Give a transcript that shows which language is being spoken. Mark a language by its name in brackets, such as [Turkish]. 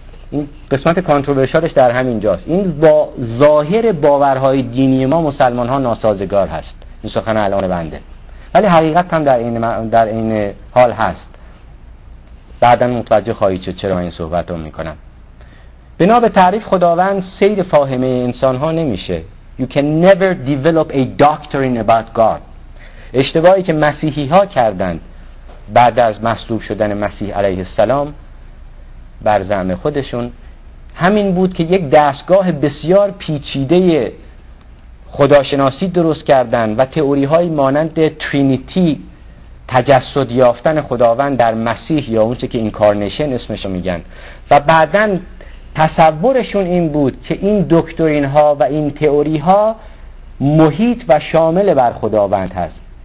[Persian] این قسمت کانتروورشیالش در همین جاست. این با ظاهر باورهای دینی ما مسلمان ها ناسازگار هست، این سخن الان بنده، ولی حقیقت هم در این حال هست. بعدا متوجه خواهید شد چرا این صحبت رو میکنم. بنا به تعریف خداوند سیر فاهمه انسان ها نمیشه. [English] You can never develop a doctrine about God. [Persian] اشتباهی که مسیحی ها کردند بعد از مصلوب شدن مسیح علیه السلام بر زعم خودشون همین بود که یک دستگاه بسیار پیچیده خداشناسی درست کردند و تئوری های مانند ترینیتی، تجسد یافتن خداوند در مسیح یا اونچه که اینکارنیشن اسمشو میگن، و بعدن تصورشون این بود که این دکترین ها و این تئوری ها محیط و شامل بر خداوند هست.